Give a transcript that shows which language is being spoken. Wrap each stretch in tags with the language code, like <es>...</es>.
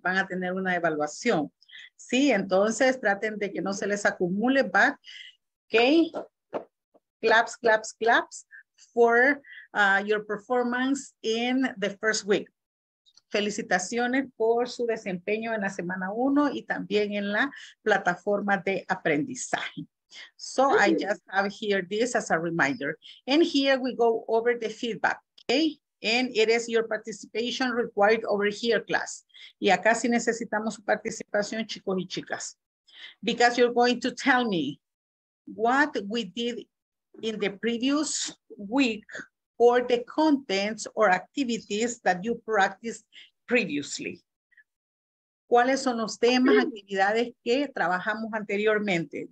<es>Van a tener una evaluación. Sí, entonces traten de que no se les acumule,</es> <en>but, okay, claps, claps, claps for your performance in the first week.</en> <es>Felicitaciones por su desempeño en la semana 1 y también en la plataforma de aprendizaje.</es> <en>So I just have here this as a reminder. And here we go over the feedback, okay? And it is your participation required over here, class.</en> <es>Y acá sí necesitamos su participación, chicos y chicas.</es> <en>Because you're going to tell me what we did in the previous week, or the contents or activities that you practiced previously.</en> <es>¿Cuáles son los temas, actividades que trabajamos anteriormente?</es>